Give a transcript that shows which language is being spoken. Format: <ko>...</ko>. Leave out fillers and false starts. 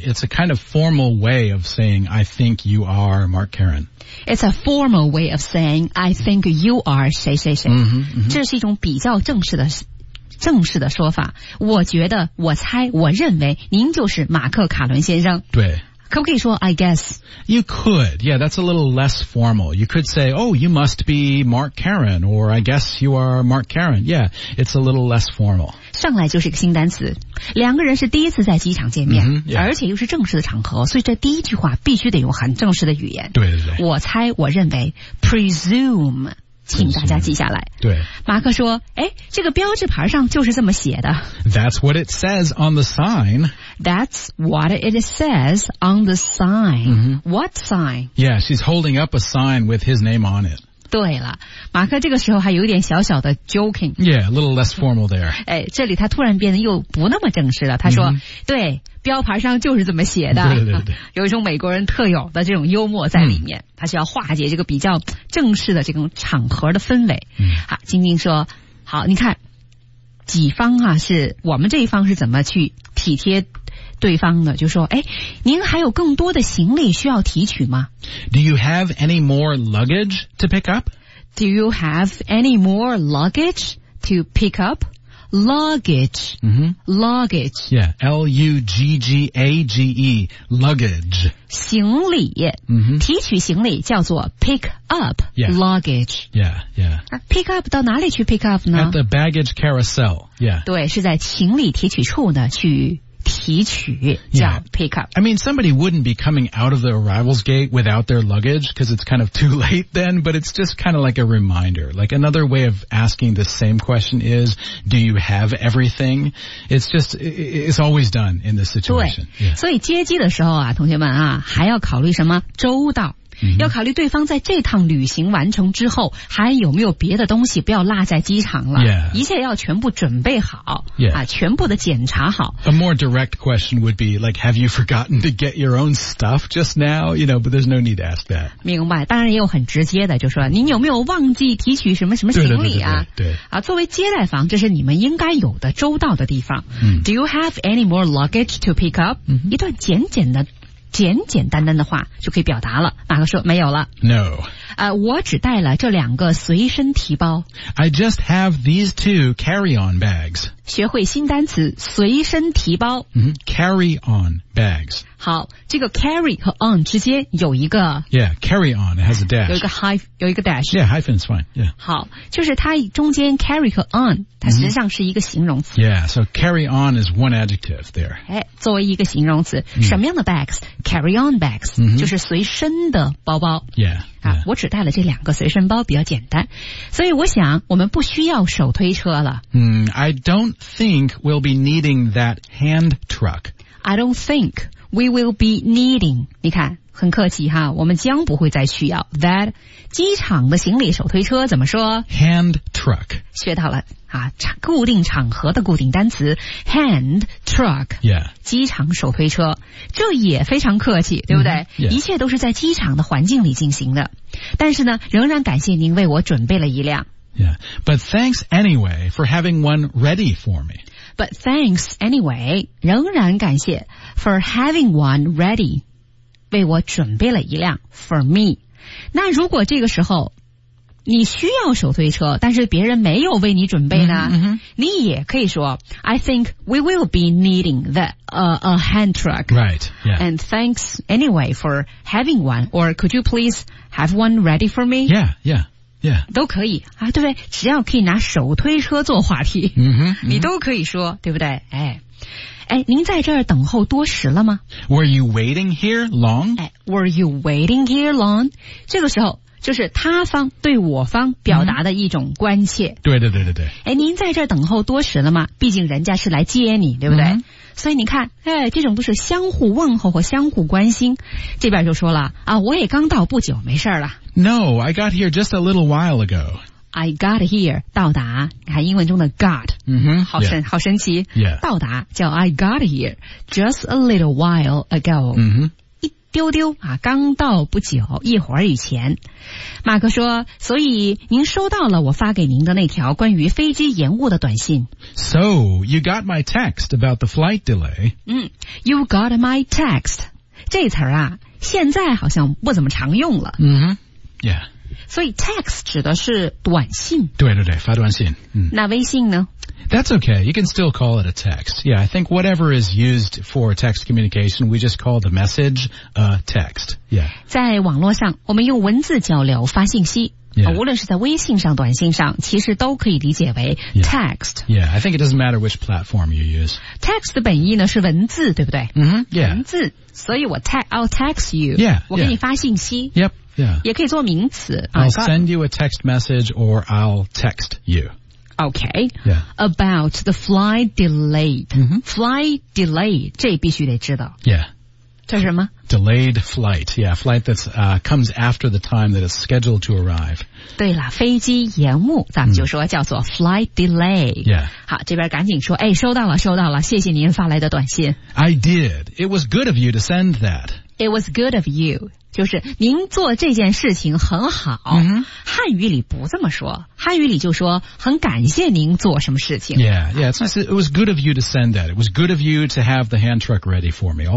<en>It's a kind of formal way of saying, I think you are Mark Karen. It's a formal way of saying, I think you are</en> <zh>谁谁谁。 Mm-hmm, mm-hmm. 这是一种比较正式的说法。我觉得我猜我认为您就是马克卡伦先生。对。可不可以说</zh> <en>I guess? You could. Yeah, that's a little less formal. You could say, oh, you must be Mark Karen, or I guess you are Mark Karen. Yeah, it's a little less formal.</en> <zh>上来就是一个新单词。两个人是第一次在机场见面、 mm-hmm, yeah. 而且又是正式的场合，所以这第一句话必须得用很正式的语言。对对对。我猜我认为 presume, 请大家记下来。对。马克说，诶，这个标志牌上就是这么写的。</zh> <en>That's what it says on the sign. That's what it says on the sign.、 Mm-hmm. What sign? Yeah, she's holding up a sign with his name on it.</en> <zh>对了，马克这个时候还有点小小的 joking.</zh> <en>Yeah, a little less formal there.</en> <zh>哎，这里他突然变得又不那么正式了。他说、mm-hmm. 对，标牌上就是这么写的。对对对。有一种美国人特有的这种幽默在里面。他需要化解这个比较正式的这种场合的氛围。 Mm-hmm. 好，晶晶说，好，你看，己方啊，是我们这一方是怎么去体贴对方的，就说，诶，您还有更多的行李需要提取吗？</zh> <en>Do you have any more luggage to pick up? Do you have any more luggage to pick up? Luggage、 mm-hmm. Luggage Yeah, L-U-G-G-A-G-E Luggage</en> <zh>行李、 mm-hmm. 提取行李叫做 pick up、 yeah.</zh> <en>Luggage Yeah, yeah</en> <zh>Pick up 到哪里去 pick up 呢？</zh> <en>At the baggage carousel Yeah</en> <zh>对，是在行李提取处呢去提取叫 pick up、</zh> <en>yeah. I mean somebody wouldn't be coming out of the arrivals gate without their luggage because it's kind of too late then but it's just kind of like a reminder like another way of asking the same question is do you have everything it's just it's always done in this situation</en> <zh>对、yeah. 所以接机的时候啊同学们啊还要考虑什么周到要考虑对方在这趟旅行完成之后还有没有别的东西不要落在机场了、 yeah. 一切要全部准备好、 yeah. 啊、全部的检查好</zh> <en>A more direct question would be like, have you forgotten to get your own stuff just now? You know, but there's no need to ask that</en> <zh>明白当然也有很直接的就说您有没有忘记提取什么什么行李啊对, 对, 对, 对, 对啊，作为接待房这是你们应该有的周到的地方、 mm.</zh> <en>Do you have any more luggage to pick up?、 Mm-hmm.</en> <zh>一段简简单单的话就可以表达了马克说没有了</zh> <en>No、</en> <zh>我只带了这两个随身提包</zh> <en>I just have these two carry-on bags</en> <zh>学会新单词随身提包、</zh> <en>mm-hmm. Carry-on bags</en> <zh>好这个 carry 和 on 之间有一个</zh> <en>Yeah, carry-on, it has a dash</en> <zh>有一个 dash</zh> <en>Yeah, hyphen's fine、yeah.</en> <zh>好就是它中间 carry 和 on 它实际上是一个形容词、 mm-hmm.</zh> <en>Yeah, so carry-on is one adjective there</en> <zh>作为一个形容词、mm-hmm. 什么样的 bags? Carry-on bags、 mm-hmm. 就是随身的包包 yeah, yeah. 啊，我只带了这两个随身包比较简单所以我想我们不需要手推车了、</zh> <en>mm, I don't think we'll be needing that hand truck I don't think we will be needing</en> <zh>你看很客气哈我们将不会再需要 that 机场的行李手推车怎么说</zh> <en>hand truck</en> <zh>学到了啊，固定场合的固定单词 hand truck、 yeah. 机场手推车这也非常客气对不对、 mm-hmm. yeah. 一切都是在机场的环境里进行的但是呢仍然感谢您为我准备了一辆、 yeah.</zh> <en>But thanks anyway for having one ready for me But thanks anyway</en> <zh>仍然感谢</zh> <en>for having one ready</en> <zh>为我准备了一辆</zh> <en>for me</en> <zh>那如果这个时候你需要手推车但是别人没有为你准备呢、 mm-hmm. 你也可以说</zh> <en>I think we will be needing a hand truck Right,、yeah. And thanks anyway for having one Or could you please have one ready for me? Yeah, yeah, yeah</en> <zh>都可以啊，对不对只要可以拿手推车做话题、 mm-hmm. 你都可以说对不对哎哎，您在这儿等候多时了吗</zh> <en>Were you waiting here long? Were you waiting here long?</en> <zh>这个时候就是他方对我方表达的一种关切、嗯、对对对对对哎，您在这儿等候多时了吗毕竟人家是来接你对不对、嗯、所以你看哎，这种都是相互问候和相互关心这边就说了啊，我也刚到不久没事了</zh> <en>No, I got here just a little while ago I got here</en> <zh>到达看英文中的 got、嗯、哼好, 神 yeah. 好神奇、 yeah. 到达叫</zh> <en>I got here just a little while ago 嗯哼</en> <zh>丢丢啊，刚到不久，一会儿以前，马克说，所以您收到了我发给您的那条关于飞机延误的短信。</zh> <en>So you got my text about the flight delay. 嗯 ，You got my text.</en> <zh>这词儿啊，现在好像不怎么常用了。嗯、mm-hmm. ，Yeah. 所以 text 指的是短信。对对对，发短信。嗯，那微信呢？</zh> <en>That's okay. You can still call it a text. Yeah, I think whatever is used for text communication, we just call the message a text. Yeah.</en> <zh>在网络上，我们用文字交流发信息。 Yeah. 无论是在微信上、短信上，其实都可以理解为 text. Yeah.</zh> <en>yeah, I think it doesn't matter which platform you use.</en> <zh>Text 的本意呢是文字，对不对？嗯、mm-hmm. ，Yeah. 文字，所以我</zh> <en>I'll text you. Yeah.</en> <zh>我给你发信息。 Yep. Yeah. 也可以做名词。</zh> <en>I'll send you a text message or I'll text you. Okay,、 yeah. about the flight delay.、 Mm-hmm.</en> <zh>Flight delay, 这必须得知道。 Yeah. 这是什么</zh> <en>Delayed flight. Yeah, flight that's,、comes after the time that is scheduled to arrive.</en> <zh>对了飞机延误咱们就说叫做 flight delay. Yeah. 好这边赶紧说哎收到了收到了谢谢您发来的短信。</zh> <en>I did. It was good of you to send that. It was good of you.</en> <zh>就是您做这件事情很好、 mm-hmm. 汉语里不这么说汉语里就说很感谢您做什么事情</zh> <en>Yeah, yeah, it's nice. It was good of you to send that. It was good of you to have the hand truck ready for me.</en>